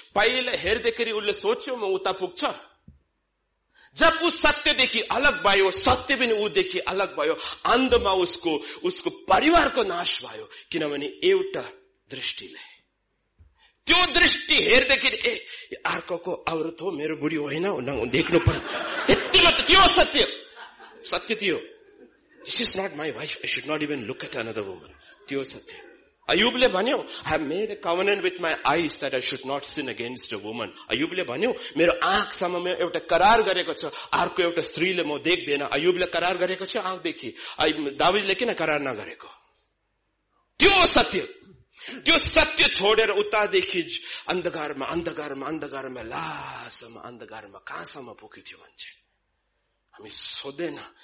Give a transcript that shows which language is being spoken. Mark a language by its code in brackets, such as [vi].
[ne] पहिला हेर्दाखेरि उसले सोच्यो म उता पुग्छ. जब ऊ सत्यदेखि अलग भयो, सत्य पनि ऊदेखि अलग भयो, अन्धमा उसको परिवारको नाश भयो. किनभने एउटा दृष्टिले त्यो दृष्टि हेर्दाखेरि ए अर्को औरत हो, मेरो बुढी होइन, देख्नु पर्यो. त्यति मात्र त्यो सत्य. सत्य त्यो. [en] This is not my wife. I should not even look at another woman. [ne] त्यो सत्य. अयुबले भन्यो, [en] I have made a covenant with my eyes that I should not sin against a woman. [ne] अयुबले भन्यो, मेरो आँखसम्म एउटा करार गरेको छ, अर्को एउटा स्त्रीले म देख्दैन. अयुबले करार गरेको छ आँखदेखि. दाविदले किन करार नगरेको? त्यो सत्य. त्यो सत्य छोडेर उतादेखि अन्धकारमा अन्धकारमा अन्धकारमा लासम्म अन्धकारमा कहाँसम्म पुग्यो थियो भन्छ. हामी सोधेन.